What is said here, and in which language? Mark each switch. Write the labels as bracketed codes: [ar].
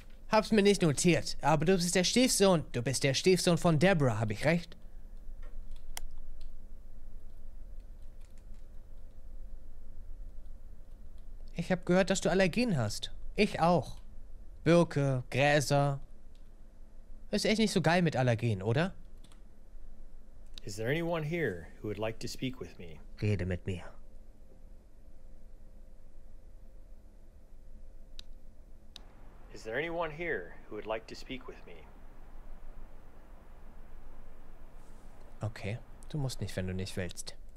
[de] Hab's mir nicht notiert, aber du bist der Stiefsohn. Du bist der Stiefsohn von Deborah, habe ich recht? Ich habe gehört, dass du Allergien hast. Ich auch. Birke, Gräser. Ist echt nicht so geil mit Allergien, oder? [en] Is there anyone here who would like to speak with me? [de] Rede mit mir. [en] Is there anyone here who would like to speak with me? [de] Okay, du musst nicht, wenn du nicht willst.